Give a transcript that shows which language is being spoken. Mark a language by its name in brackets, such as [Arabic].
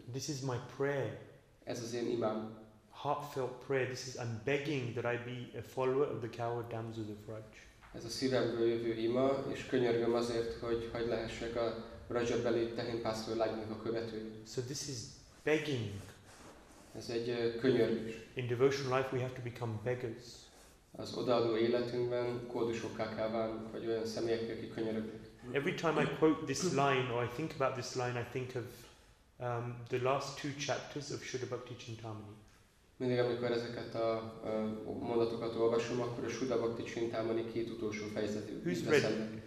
[English] This is my prayer. [Hungarian] Ez az én imám. [English] Heartfelt prayer. This is I'm begging that I be a follower of the coward damsels of Raj. [Hungarian] Ez a szívemből jövő ima, és könyörgöm azért, hogy lehessek a Rajabeli tehénpásztor lánynak a követője. [English] So this is begging. [Hungarian] Ez egy könyörgés. [English] In devotional life we have to become beggars. [Hungarian] Az odaadó életünkben kódusokká kell válnunk, vagy olyan személyekké, akik könyörögnek. [English] Every time I quote this line or I think about this line, I think of the last two chapters of Shuddha Bhakti Chintamani. [Hungarian] Mindig amikor ezeket a mondatokat olvasom, akkor a Shuddha Bhakti Chintamani két utolsó fejezetét veszem.